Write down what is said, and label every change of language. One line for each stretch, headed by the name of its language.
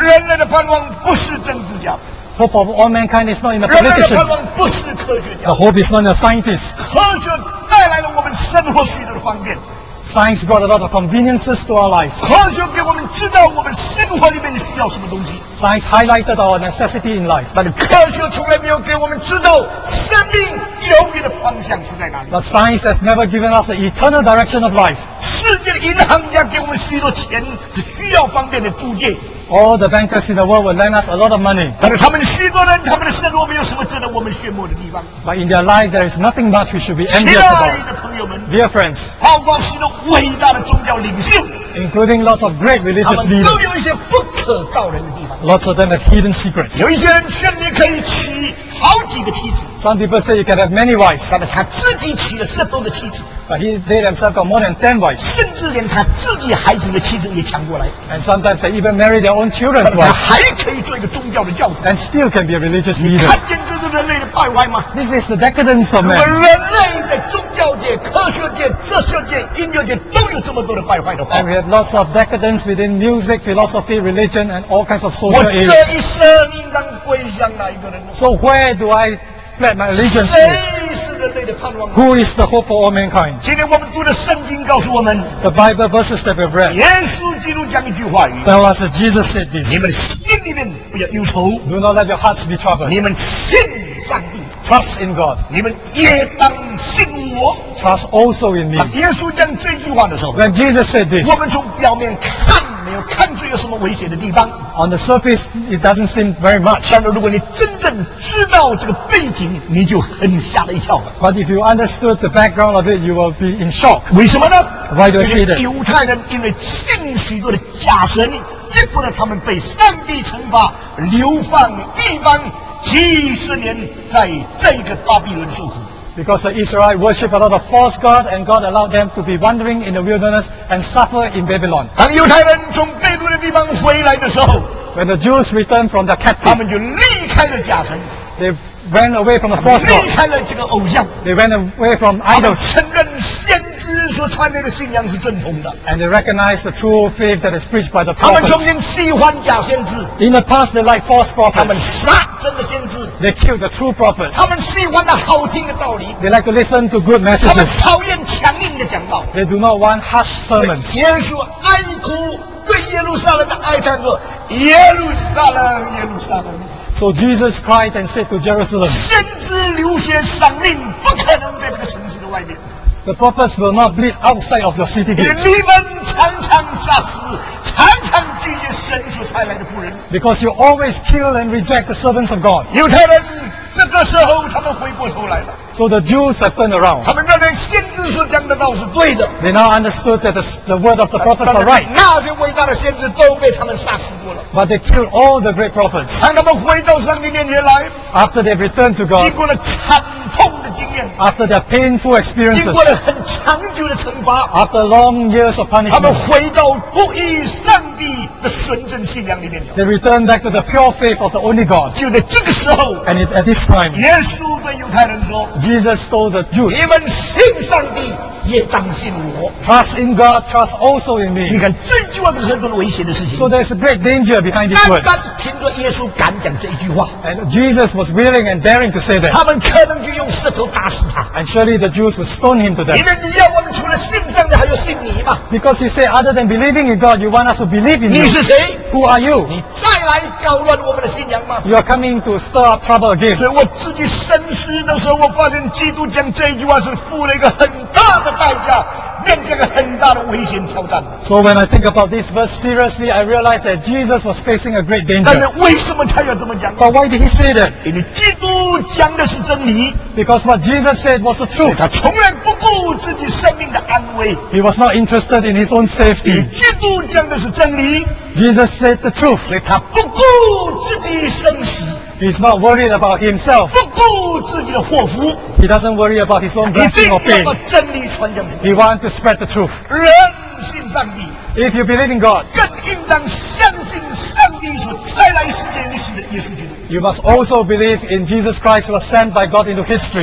Chinese: 人类的盼望不是政治家。
English: Hope of all mankind is not in a politician. The hope is not in a scientist.
Chinese: 科学带来了我们生活许多的方便。
English: Science brought a lot of conveniences to our life.
Chinese: 科学给我们知道我们生活里面需要什么东西。
English: Science highlighted our necessity in life.
Chinese: 但科学从来没有给我们知道生命永远的方向是在哪里。
English: But science has never given us the eternal direction of life.
Chinese: 世界的银行家给我们许多钱，只需要方便的租借。
English: All the bankers in the world will lend us a lot of money.
Chinese: 但是他们许多人，他们的生活没有什么值得我们羡慕的地方。
English: But in their life, there is nothing much we should be envious about.
Chinese: 亲爱的朋友们
English: ，Dear friends,
Chinese: 包括许多伟大的宗教领袖
English: ，including lots of great religious leaders,
Chinese: 他们都有一些不可告人的地方。
English: Lots of them have hidden secrets.
Chinese: 有一些人劝你可以娶好几个妻子。
English: Some people say you can have many wives.
Chinese: 但是他自己娶了十多个妻子。
English: But they themselves got more than 10 wives.
Chinese: 甚至连他自己孩子的妻子也抢过来。
English: And sometimes they even marry their own children's wives.
Chinese: 他还可以做一个宗教的教徒。
English: And still can be a religious leader.
Chinese: 你看见这是人类的败坏吗？
English: This is the decadence of man.
Chinese: 如果人类在宗教界、科学界、哲学界、音乐界都有这么多的败坏的话，
English: And we have lots of decadence within music, philosophy, religion, and all kinds of social areas.
Chinese: 我这一生应当归向哪一个人呢？
English: So where do I pledge my allegiance to? Who is the hope for all mankind?
Chinese: 今天我们读的圣经告诉我们
English: ，The Bible verses that we've read.
Chinese: 耶稣基督讲一句话语。
English: That was Jesus said this.
Chinese: 你们心里面不要忧愁。
English: Do not let your hearts be troubled.
Chinese: 你们信上帝。
English: Trust in God.
Chinese: 你们也当信我。
English: Trust also in me.
Chinese: 耶稣讲这句话的时候
English: ，When Jesus said this,
Chinese: 我们从表面看没有看出有什么危险的地方。
English: On the surface, it doesn't seem very much.
Chinese: 但是如果你真正知道这个背景，你就很吓了一跳了。
English: But if you understood the background of it, you will be in shock.
Chinese: 为什么呢
English: ？Why do you see that?
Chinese: 犹太人因为信许多的假神，结果呢，他们被上帝惩罚，流放异邦。几十年在这个巴比伦受苦。
English: Because the Israelites worship a lot of false gods, and God allowed them to be wandering in the wilderness and suffer in Babylon.
Chinese: 当犹太人从被掳的地方回来的时候
English: ，When the Jews returned from the captive,
Chinese: 他们就离开了假神。
English: They went away from the false god.
Chinese: 离开了这个偶像。
English: They went away from idols.
Chinese: 承认先知所传递的信仰是正统的。
English: And they recognized the true faith that is preached by the prophets.
Chinese: 他们曾经喜欢假先知。
English: In the past, they liked false prophets.
Chinese: 他们杀真的先知。
English: They killed the true prophets.
Chinese: 他们喜欢那好听的道理。
English: They like to listen to good messages.
Chinese: 他们讨厌强硬的讲道。
English: They do not want harsh sermons.
Chinese: 耶稣哀哭。对耶路撒冷的哀叹说：“耶路撒冷，耶路撒冷。”
English: So Jesus cried and said to Jerusalem,
Chinese: 先知流血赏命，不可能在这个城市的外面。
English: The prophets will not bleed outside of your city gates.
Chinese: 你们常常杀死，常常拒绝神所差来的仆人。
English: Because you always kill and reject the servants of God.
Chinese: 犹太人这个时候他们回过头来了。
English: So the Jews have turned around.
Chinese: 他们认为先知所讲的道是对的。
English: They now understood that the word of the prophets are right.
Chinese: 那些伟大的先知都被他们杀死过了。
English: But they killed all the great prophets.
Chinese: 当他们回到上帝面前来。
English: After they've returned to God.
Chinese: 经过了惨痛的经验。
English: After their painful experiences.
Chinese: 经过了很长久的惩罚。
English: After long years of punishment.
Chinese: 他们回到不依上帝的纯正信仰里面。
English: They returned back to the pure faith of the only God.
Chinese: 就在这个时候。
English: And at this time.
Chinese: 耶稣对犹太人说。
English: Jesus told the Jews,
Chinese: 你们信上帝，也当信我。
English: Trust in God, trust also in me.
Chinese: 你看这句话是何等危险的事情。
English: So there's a great danger behind these words.
Chinese: 单单凭着耶稣敢讲这一句话。
English: And Jesus was willing and daring to say that.
Chinese: 他们可能就用石头打死他。
English: And surely the Jews would stone him to death.
Chinese: 因为你要我们除了信上帝，还要信你吗？
English: Because you say other than believing in God, you want us to believe in you.
Chinese: 你是谁？
English: Who are you?
Chinese: 你再来搞乱我们的信仰吗？
English: You are coming to stir up trouble again.
Chinese: 所以我自己深思的时候，我发现基督讲这一句话是付了一个很大的代价。面对个很大的危险挑战。
English: So when I think about this verse seriously, I realize that Jesus was facing a great danger.
Chinese: 但是为什么他要这么讲？
English: But why did he say that?
Chinese: 因为基督讲的是真理。
English: Because what Jesus said was the truth.
Chinese: 他从来不顾自己生命的安危。
English: He was not interested in his own safety.
Chinese: 因为基督讲的是真理。
English: Jesus said the truth.
Chinese: 所以他不顾自己生死。
English: He's not worried about himself.
Chinese: 不顾自己的祸福。
English: He doesn't worry about his own blessing or pain.
Chinese: 一定要把真理传讲出来。
English: He wants to spread the truth.
Chinese: 人信上帝。
English: If you believe in God,
Chinese: 更应当相信上帝所差来世界历史的耶稣基督。
English: You must also believe in Jesus Christ who was sent by God into history.